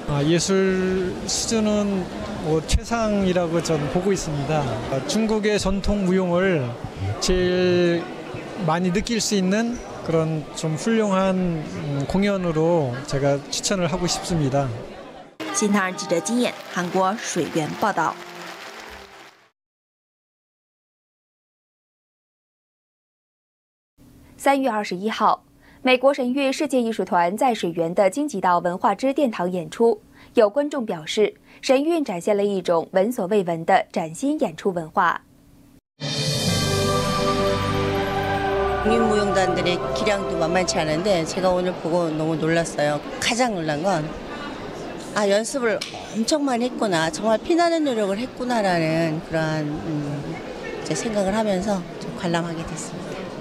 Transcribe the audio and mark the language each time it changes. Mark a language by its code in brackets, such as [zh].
[ko] 예술 수준은 뭐 최상이라고 저는 보고 있습니다. 중국의 전통 무용을 제일 많이 느낄 수 있는 그런 좀 훌륭한 공연으로 제가 추천을 하고 싶습니다. [zh] 신타人记者金燕，韩国水源报道。 3月21号， 美国神韵世界艺术团在水源的京畿道文化之殿堂演出，有观众表示，神韵展现了一种闻所未闻的崭新演出文化。 [ko] 무용단들의 기량도 만만치 않은데 제가 오늘 보고 너무 놀랐어요. 가장 놀란 건 아, 연습을 엄청 많이 했구나, 정말 피나는 노력을 했구나라는 그런 이제 생각을 하면서 좀 관람하게 됐습니다.